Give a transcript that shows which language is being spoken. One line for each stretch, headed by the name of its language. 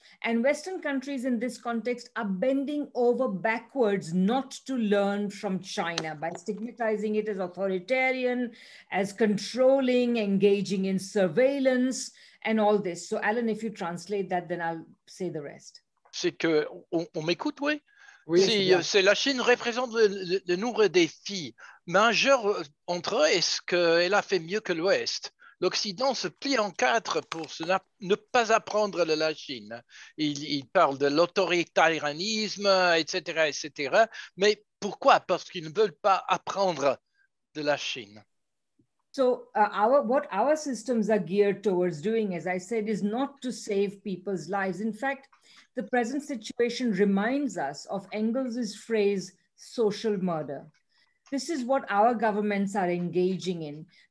English: And Western countries in this context are bending over backwards not to learn from China by stigmatizing it as authoritarian, as controlling, engaging in surveillance, and all this. So, Alan, if you translate that, then I'll say the rest.
French: C'est que on m'écoute, oui. Oui, c'est la Chine représente le nombre de défis majeurs entre eux. Est-ce qu'elle a fait mieux que l'Ouest? L'Occident se plie en quatre pour ne pas apprendre de la Chine. Il parle de l'autoritarianisme, etc., etc. Mais pourquoi? Parce qu'ils ne veulent pas apprendre de la Chine.
English: So what our systems are geared towards doing, as I said, is not to save people's lives. In fact, the present situation reminds us of Engels's phrase, social murder. This is what our governments are engaging in.